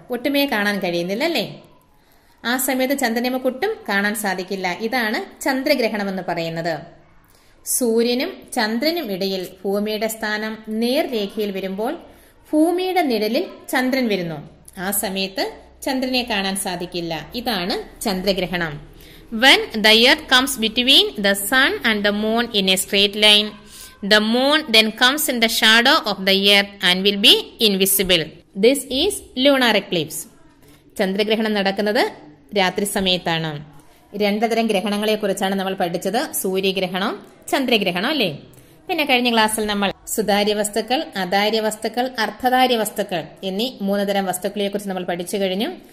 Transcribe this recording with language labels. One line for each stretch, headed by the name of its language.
Malayalam: ഒട്ടുമേ കാണാൻ കഴിയുന്നില്ല അല്ലേ. ആ സമയത്ത് ചന്ദ്രനെ കുട്ടും കാണാൻ സാധിക്കില്ല. ഇതാണ് ചന്ദ്രഗ്രഹണം എന്ന് പറയുന്നത്. സൂര്യനും ചന്ദ്രനും ഇടയിൽ ഭൂമിയുടെ സ്ഥാനം നേർരേഖയിൽ വരുമ്പോൾ ഭൂമിയുടെ നിഴലിൽ ചന്ദ്രൻ വരുന്നു. ആ സമയത്ത് ചന്ദ്രനെ കാണാൻ സാധിക്കില്ല. ഇതാണ് ചന്ദ്രഗ്രഹണം.
English: When the earth comes between the sun and the moon in a straight line, the moon then comes in the shadow of the earth and will be invisible. This is lunar eclipse.
Malayalam: ചന്ദ്രഗ്രഹണം നടക്കുന്നത് രാത്രി സമയത്താണ്. രണ്ടുതരം ഗ്രഹണങ്ങളെ കുറിച്ചാണ് നമ്മൾ പഠിച്ചത്, സൂര്യഗ്രഹണം, ചന്ദ്രഗ്രഹണം അല്ലേ. പിന്നെ കഴിഞ്ഞ ക്ലാസ്സിൽ നമ്മൾ സുതാര്യ വസ്തുക്കൾ, അതാര്യ വസ്തുക്കൾ, അർദ്ധതാര്യ വസ്തുക്കൾ എന്നീ മൂന്നുതരം വസ്തുക്കളെ കുറിച്ച് നമ്മൾ പഠിച്ചു കഴിഞ്ഞു.